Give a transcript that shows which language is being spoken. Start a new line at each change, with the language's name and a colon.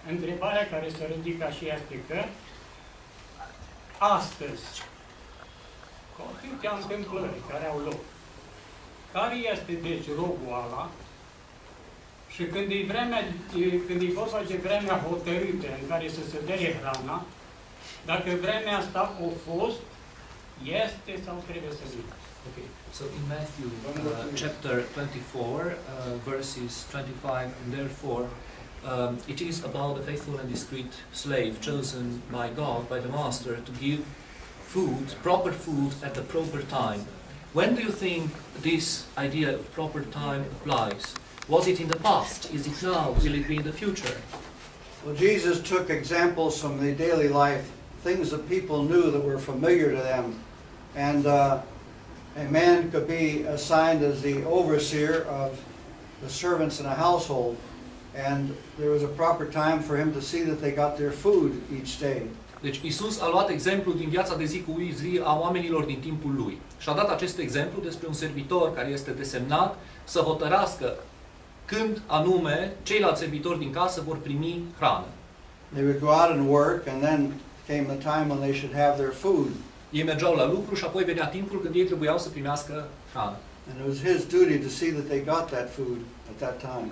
Romanian: Întrebarea care se ridică și este că astăzi, cu atâtea întâmplări care au loc, care este deci robul ăla? Și când e vremea, când e vorba de vremea hotărâtă în care să se dea hrana, dacă vremea asta a fost, este sau trebuie să fie?
English: Okay. So in Matthew chapter 24, verses 25, and therefore, it is about a faithful and discreet slave chosen by God, by the Master, to give food, proper food, at the proper time. When do you think this idea of proper time applies? Was it in the past? Is it now? Will it be in the future? Well, Jesus took examples from the daily life, things that people knew that were familiar to them. And a man could be assigned as the overseer of the servants in a household. And there was a proper time for him to see that they got their food each day.
Romanian: Deci Iisus a luat exemplu din viața de zi cu zi a oamenilor din timpul lui. Și a dat acest exemplu despre un servitor care este desemnat să hotărască când anume ceilalți servitori din casă vor primi hrană.
English: They would go out and work and then came the time when they should have their food.
Romanian: Ei mergeau la lucru și apoi venea timpul când ei trebuiau să primească hrană.
English: And it was his duty to see that they got that food at that time.